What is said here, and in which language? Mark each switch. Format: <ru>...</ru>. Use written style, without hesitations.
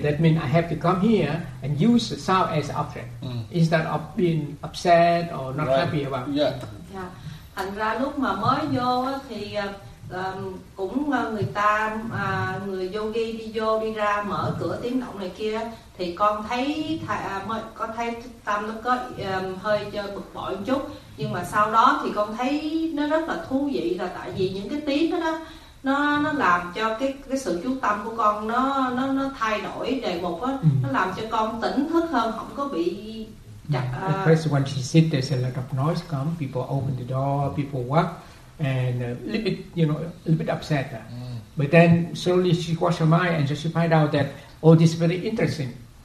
<en>That means I have to come here and use the sound as object instead of being upset or not happy about. Yeah. Yeah.</en> <vi>Thành ra lúc mà mới vô thì cũng người ta người yogi đi vô đi ra mở cửa tiếng động này kia thì con thấy tâm nó có hơi bực bội một chút. Nhưng mà sau đó thì con thấy nó rất là thú vị, là tại vì những cái tiếng đó nó làm cho cái sự chú tâm của con nó thay đổi đề mục á, nó làm cho con tỉnh thức hơn, không có bị chặt.</vi> <en>First when she sit there's a lot of noise come, people open the door, people walk and a little bit upset. But then slowly she washed her mind and just she find out that oh, this is very interesting.</en>